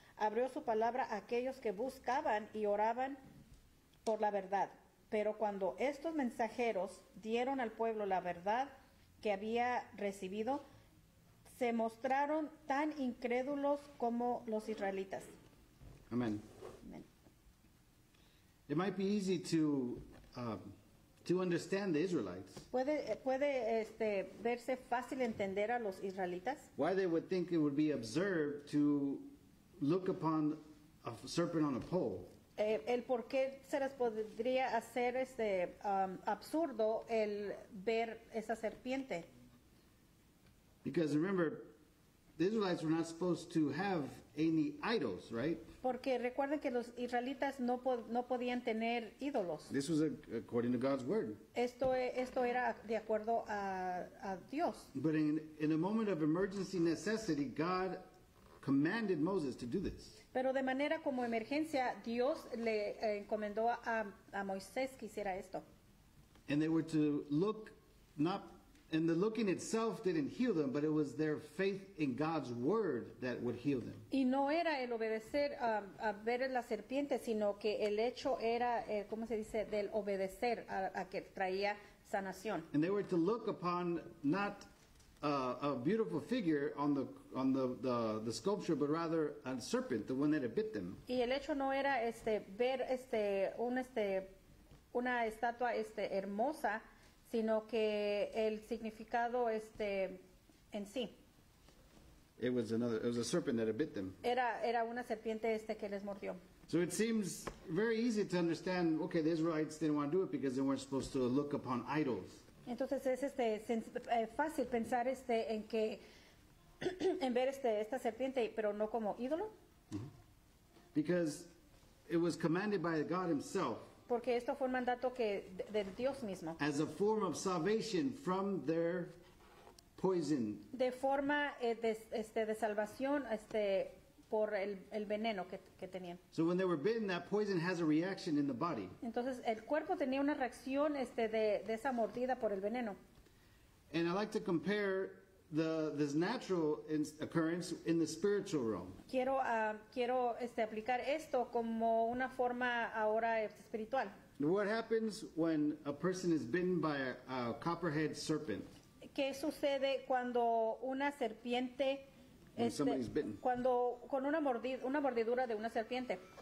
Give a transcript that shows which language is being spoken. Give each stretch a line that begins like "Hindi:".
Spanish: Abrió su palabra a aquellos que buscaban y oraban por la verdad. Pero cuando estos mensajeros dieron al pueblo la verdad que había recibido, se mostraron tan incrédulos como los israelitas. Amén.
English: It might be easy to understand the Israelites.
Spanish: ¿Puede este verse fácil entender a los israelitas?
English: Why they would think it would be absurd to look upon a serpent on a pole.
Spanish: El por qué se les podría hacer este absurdo el ver esa serpiente.
English: Because remember, the Israelites were not supposed to have any idols, right?
Spanish: Porque recuerden que los israelitas no podían tener ídolos.
English: This was according to God's word.
Spanish: Esto era de acuerdo a Dios.
English: But in a moment of emergency necessity, God commanded Moses to do this.
Spanish: Pero de manera como emergencia, Dios le encomendó a Moisés que hiciera esto.
English: And they were to look not. And the looking itself didn't heal them, but it was their faith in God's word that would heal them.
Spanish: Y no era el obedecer a ver la serpiente, sino que el hecho era, ¿cómo se dice? Del obedecer a que traía sanación.
English: And they were to look upon not a beautiful figure on the sculpture, but rather a serpent, the one that had bit them.
Spanish: Y el hecho no era ver una estatua hermosa, sino que el significado en sí.
English: It was a serpent that had bit them.
Spanish: Era una serpiente que les mordió.
English: So it seems very easy to understand, okay, the Israelites didn't want to do it because they weren't supposed to look upon idols.
Spanish: Entonces es fácil pensar en que en ver esta serpiente, pero no como ídolo.
English: Mm-hmm. Because it was commanded by God himself.
Spanish: Porque esto fue un mandato que de Dios mismo.
English: As a form of salvation from their poison.
Spanish: De forma de salvación por el veneno que tenían.
English: So when they were bitten, that poison has a reaction in the body.
Spanish: Entonces el cuerpo tenía una reacción de esa mordida por el veneno.
English: And I like to compare this natural occurrence in the spiritual realm.
Spanish: Quiero aplicar esto como una forma ahora espiritual.
English: What happens when a person is bitten by a copperhead serpent?
Spanish: ¿Qué sucede cuando una serpiente una mordidura de una serpiente?